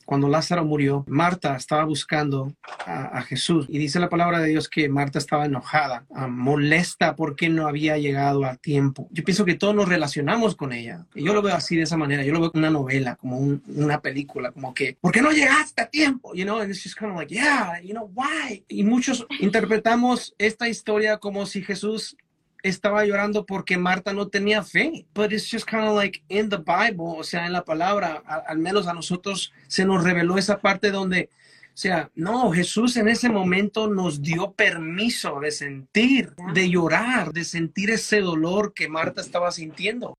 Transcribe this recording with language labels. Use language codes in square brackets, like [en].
[es] Cuando Lázaro murió, Marta estaba buscando a Jesús y dice la palabra de Dios que Marta estaba enojada, molesta porque no había llegado a tiempo. Yo pienso que todos nos relacionamos con ella. Y yo lo veo así, de esa manera. Yo lo veo como una novela, como una película, como que, ¿por qué no llegaste a tiempo? [en] You know, and it's just kind of like, yeah, you know, why? [es] Y muchos interpretamos esta historia como si Jesús estaba llorando porque Marta no tenía fe. But it's just kind of like in the Bible, o sea, en la palabra, al menos a nosotros se nos reveló esa parte donde, o sea, no, Jesús en ese momento nos dio permiso de sentir, de llorar, de sentir ese dolor que Marta estaba sintiendo.